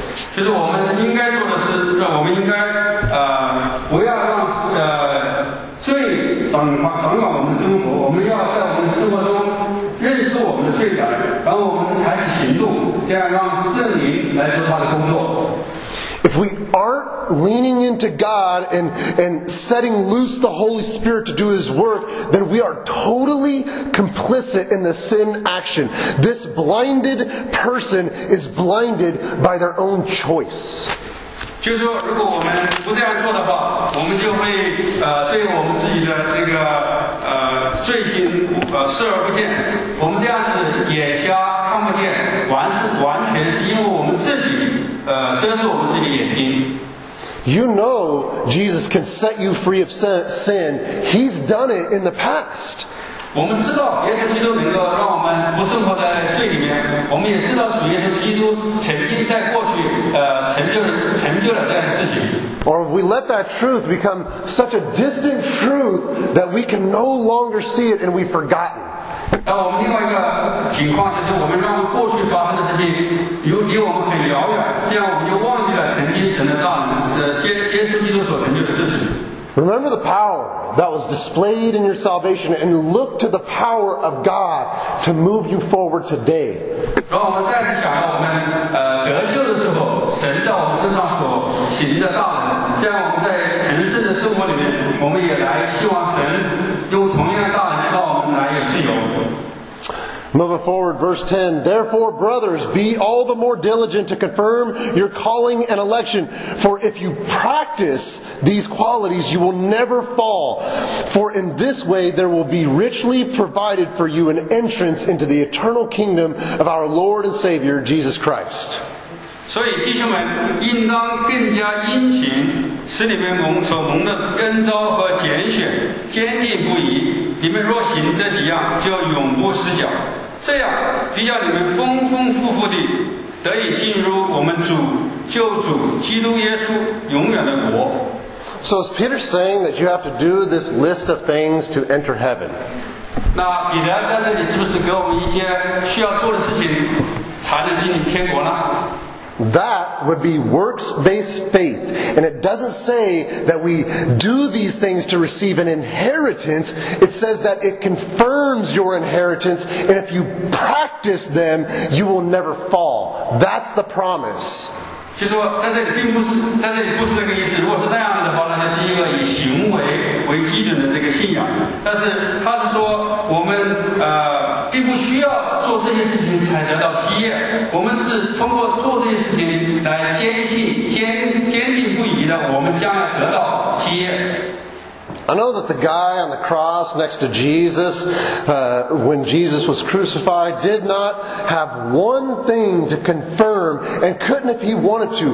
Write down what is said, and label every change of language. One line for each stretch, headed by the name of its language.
Chinese: 其实我们应该做的是，我们应该不要让罪掌管我们的生活。我们要在我们的生活中认识我们的罪来，然后我们采取行动，这样让圣灵来做他的工作。
English: If we aren't leaning into God and setting loose the Holy Spirit to do His work, then we are totally complicit in the sin action. This blinded person is blinded by their own choice.
Chinese: 就是说，如果我们不这样做的话，我们就会对我们自己的这个罪行视而不见。我们这样子眼瞎看不见，完全是因为我们自己。
English: You know Jesus can set you free of sin. He's done it in the past.
Chinese: 我们知道耶稣基督能够让我们不生活在罪里面。我们也知道主耶稣基督曾经在过去成就了这样的事情。
English: Or if we let that truth become such a distant truth that we can no longer see it and we've forgotten.
Chinese: 那我们另外一个情况就是，我们让过去发生的事情离我们很遥远，这样我们就忘记了曾经神的大能，是耶稣基督所成就的事情。
English: Remember the power that was displayed in your salvation and look to the power of God to move you forward today.
Chinese: 然后我们再次想要我们得救的时候，神在我们身上所行的大能，这样我们在城市的生活里面，我们也来希望神用同样的大能让我们来有自由。
English: Moving forward, verse 10. Therefore, brothers, be all the more diligent to confirm your calling and election. For if you practice these qualities, you will never fall. For in this way, there will be richly provided for you an entrance into the eternal kingdom of our Lord and Savior, Jesus Christ.
Chinese: 所以弟兄们应当更加殷勤，使你们蒙所蒙的恩召和拣选坚定不移。你们若行这几样，就永不失脚。这样，必叫你们丰丰富富地得以进入我们主救主基督耶稣永远的国。
English: So is Peter saying that you have to do this list of things to enter heaven?
Chinese: 那彼得在这里是不是给我们一些需要做的事情，才能进入天国呢？
English: That would be works-based faith. And it doesn't say that we do these things to receive an inheritance. It says that it confirms your inheritance. And if you practice them, you will never fall. That's the promise.
Chinese: 就是说在这里并不是这个意思如果是这样的话那就是一个以行为为基准的这个信仰但是他是说我们并不需要做这些事情才得到基业我们是通过做这些事情来坚信坚定不移的我们将来得到基业
English: I know that the guy on the cross next to Jesus, when Jesus was crucified, did not have one thing to confirm and couldn't if he wanted to.